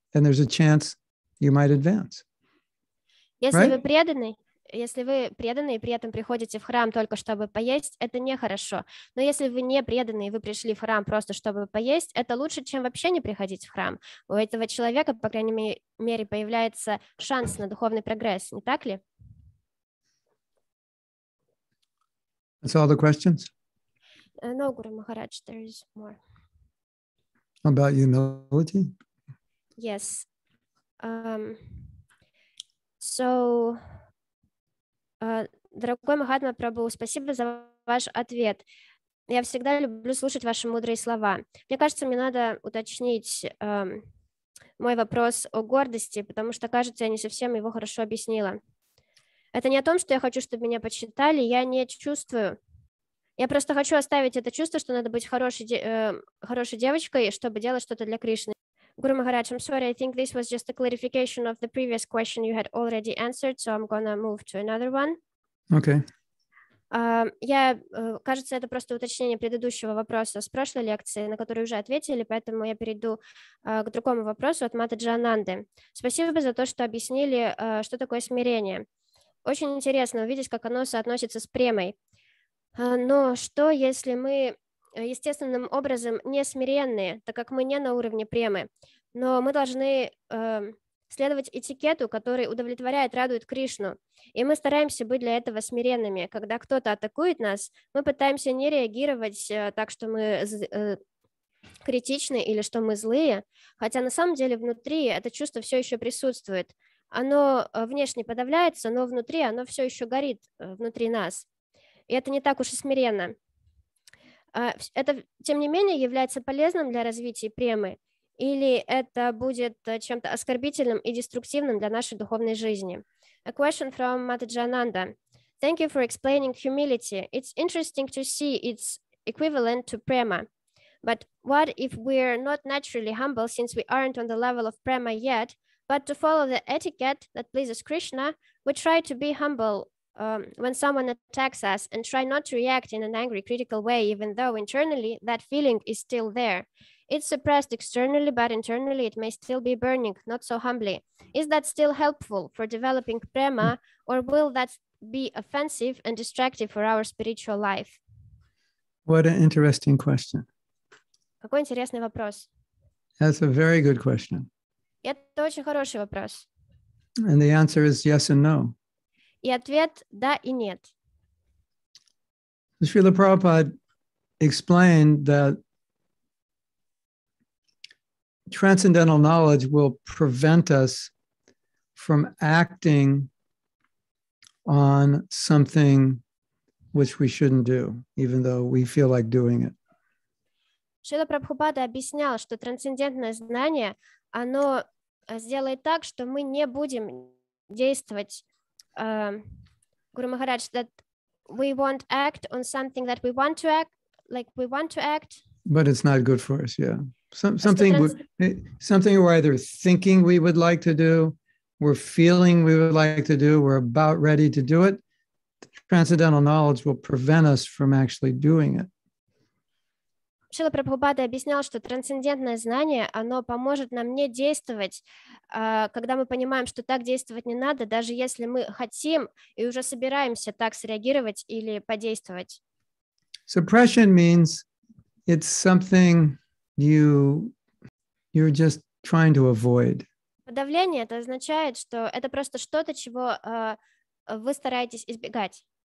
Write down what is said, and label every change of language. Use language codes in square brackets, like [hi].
[en] And there's a chance you might advance. [ru] Если [en] right? [ru] вы преданный... Если вы преданные и при этом приходите в храм только чтобы поесть, это нехорошо. Но если вы не преданные и вы пришли в храм просто чтобы поесть, это лучше, чем вообще не приходить в храм. У этого человека, по крайней мере, появляется шанс на духовный прогресс, не так ли? [en] That's all the questions? No, Guru Maharaj, there is more. About humility? Yes. So... [ru] дорогой Махатма Прабху, спасибо за ваш ответ. Я всегда люблю слушать ваши мудрые слова. Мне кажется, мне надо уточнить мой вопрос о гордости, потому что, кажется, я не совсем его хорошо объяснила. Это не о том, что я хочу, чтобы меня почитали. Я не чувствую Я просто хочу оставить это чувство, что надо быть хорошей девочкой, чтобы делать что-то для Кришны. [en] Guru Maharaj, I'm sorry, I think this was just a clarification of the previous question you had already answered, so I'm gonna move to another one. Okay. [ru] Кажется, это просто уточнение предыдущего вопроса с прошлой лекции, на который уже ответили, поэтому я перейду к другому вопросу от Матаджи Ананды. Спасибо за то, что объяснили, что такое смирение. Очень интересно увидеть, как оно соотносится с премой. Но что, если мы естественным образом не смиренные, так как мы не на уровне премы, но мы должны следовать этикету, который удовлетворяет, радует Кришну, и мы стараемся быть для этого смиренными. Когда кто-то атакует нас, мы пытаемся не реагировать так, что мы критичны или что мы злые, хотя на самом деле внутри это чувство все еще присутствует. Оно внешне подавляется, но внутри оно все еще горит внутри нас. И это не так уж и смиренно. Это, тем не менее, является полезным для развития премы, или это будет чем-то оскорбительным и деструктивным для нашей духовной жизни? [en] A question from Mataji Ananda. Thank you for explaining humility. It's interesting to see its equivalent to prema. But what if we're not naturally humble since we aren't on the level of prema yet, but to follow the etiquette that pleases Krishna, we try to be humble when someone attacks us and try not to react in an angry, critical way, even though internally that feeling is still there. It's suppressed externally, but internally it may still be burning, not so humbly. Is that still helpful for developing prema, or will that be offensive and distractive for our spiritual life? What an interesting question. [ru] Какой интересный вопрос. [en] That's a very good question. [ru] Это очень хороший вопрос. [en] And the answer is yes and no. [ru] И ответ – да и нет. [en] Srila Prabhupada explained that transcendental knowledge will prevent us from acting on something which we shouldn't do, even though we feel like doing it. [ru] Srila Prabhupada объяснял, что трансцендентное знание, оно сделает так, что мы не будем действовать. [en] Guru Maharaj, that we won't act on something that we want to act, like we want to act. But it's not good for us, yeah. Something we're either thinking we would like to do, we're feeling we would like to do, we're about ready to do it. Transcendental knowledge will prevent us from actually doing it. [ru] Шрила Прабхупада объяснял, что трансцендентное знание, оно поможет нам не действовать, когда мы понимаем, что так действовать не надо, даже если мы хотим и уже собираемся так среагировать или подействовать. [en] Suppression means it's something you're just trying to avoid. [ru] Подавление – это означает, что это просто что-то, чего вы стараетесь избегать.